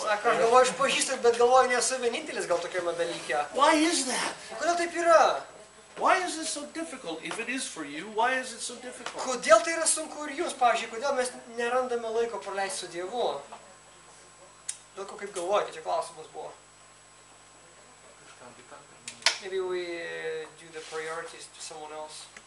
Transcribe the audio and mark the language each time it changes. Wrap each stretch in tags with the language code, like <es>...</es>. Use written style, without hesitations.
<lt>Sako, aš galvoju, aš pažįstu, bet galvoju, nesu vienintelis gal tokiame dalyke.</lt> <en>Why is that?</en> <lt>O kodėl taip yra?</lt> <en>Why is it so difficult? If it is for you, why is it so difficult?</en> <lt>Kodėl tai yra sunku ir jums, pavyzdžiui, kodėl mes nerandame laiko praleisti su Dievu? Dėl ko kaip galvojate, čia klausimas buvo.</lt> <en>Maybe we do the priorities to someone else.</en>